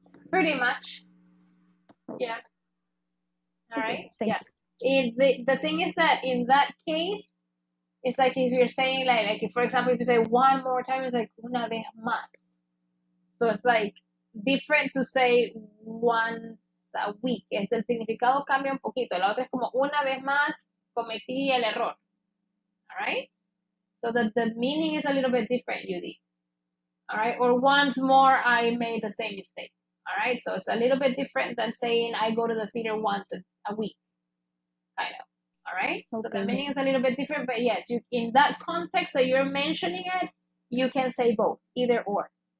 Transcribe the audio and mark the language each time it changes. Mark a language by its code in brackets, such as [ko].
[en] Pretty much. Yeah. All right. Okay, yeah. The thing is that in that case, it's like if you're saying like for example, if you say one more time, it's like [es] una vez más. [en] So it's like different to say once a week. [es] Es el significado cambia un poquito. La otra es como una vez más cometí el error. All right? [en] So that the meaning is a little bit different, Judy. All right, or once more, I made the same mistake. All right, so it's a little bit different than saying I go to the theater once a week, kind of. All right, okay. So the meaning is a little bit different, but yes, you, in that context that you're mentioning it, you can say both, either or.